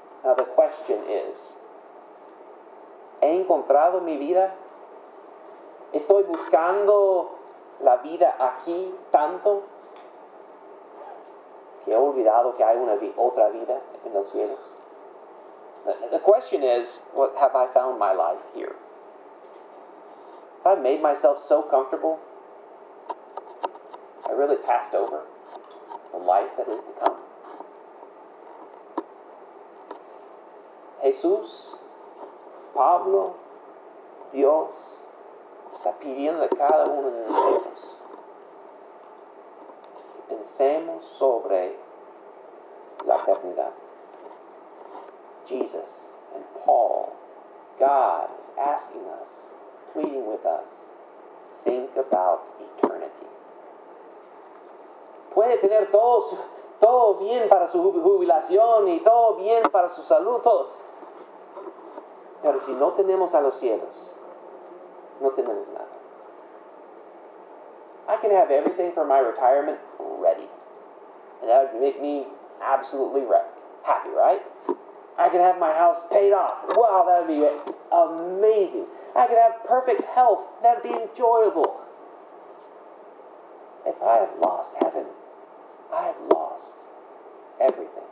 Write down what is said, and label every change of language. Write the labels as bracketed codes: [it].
[en] now the question is, [es] ¿he encontrado mi vida? ¿Estoy buscando la vida aquí tanto que he olvidado que hay otra vida en los cielos? [en] The question is, what have I found my life here? Have I made myself so comfortable? I really passed over the life that is to come. [es] Jesús, Pablo, Dios, está pidiendo a cada uno de nosotros que pensemos sobre la eternidad. [en] Jesus and Paul, God is asking us, pleading with us, think about eternity. [es] Puede tener todo bien para su jubilación y todo bien para su salud, todo. Pero si no tenemos a los cielos, no tenemos nada. [en] I can have everything for my retirement ready. And that would make me absolutely happy, right? I can have my house paid off. Wow, that would be amazing. I can have perfect health. That would be enjoyable. If I have lost heaven, I have lost everything.